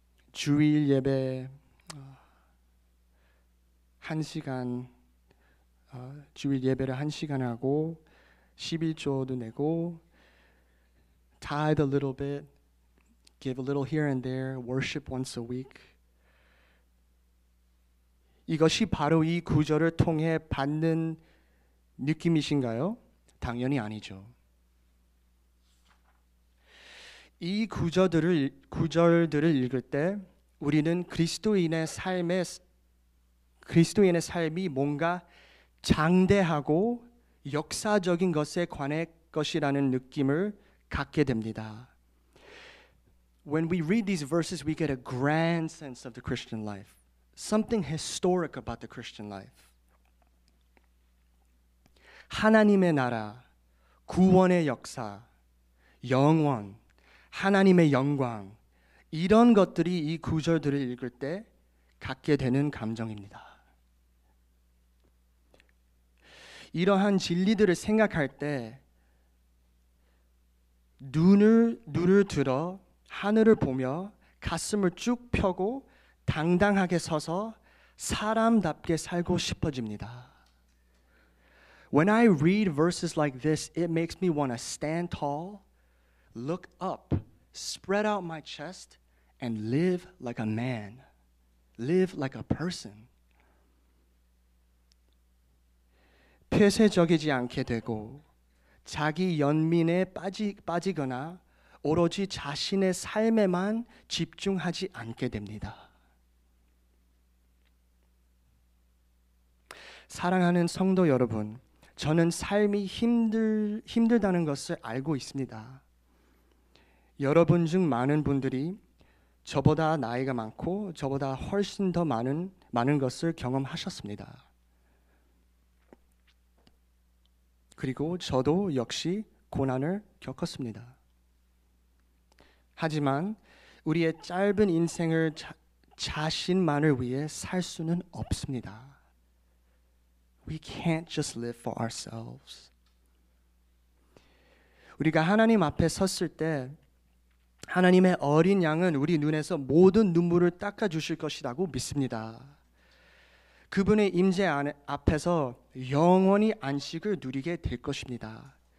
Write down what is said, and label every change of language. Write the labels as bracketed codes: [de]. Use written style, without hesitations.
[ko] 주일 예배 주일 예배를 한 시간 하고 십일조도 내고 [en] tithe a little bit, give a little here and there, worship once a week. [ko] 이것이 바로 이 구절을 통해 받는 느낌이신가요? 당연히 아니죠. 이 구절들을 읽을 때 우리는 그리스도인의 삶이 뭔가 장대하고 역사적인 것에 관해 것이라는 느낌을 갖게 됩니다. [en] When we read these verses, we get a grand sense of the Christian life. Something historic about the Christian life. [ko] 하나님의 나라, 구원의 역사, 영원, 하나님의 영광, 이런 것들이 이 구절들을 읽을 때 갖게 되는 감정입니다. 이러한 진리들을 생각할 때 눈을 들어 하늘을 보며 가슴을 쭉 펴고 당당하게 서서 사람답게 살고 싶어집니다. [en] When I read verses like this, it makes me want to stand tall, look up, spread out my chest, and live like a man, live like a person. [ko] 폐쇄적이지 않게 되고 자기 연민에 빠지거나 오로지 자신의 삶에만 집중하지 않게 됩니다. 사랑하는 성도 여러분, 저는 삶이 힘들다는 것을 알고 있습니다. 여러분 중 많은 분들이 저보다 나이가 많고 저보다 훨씬 더 많은 것을 경험하셨습니다. 그리고 저도 역시 고난을 겪었습니다. 하지만 우리의 짧은 인생을 자신만을 위해 살 수는 없습니다. [en] We can't just live for ourselves. [ko] 우리가 하나님 앞에 섰을 때 하나님의 어린 양은 우리 눈에서 모든 눈물을 닦아주실 것이라고 믿습니다. 그분의 임재 앞에서 영원히 안식을 누리게 될 것입니다.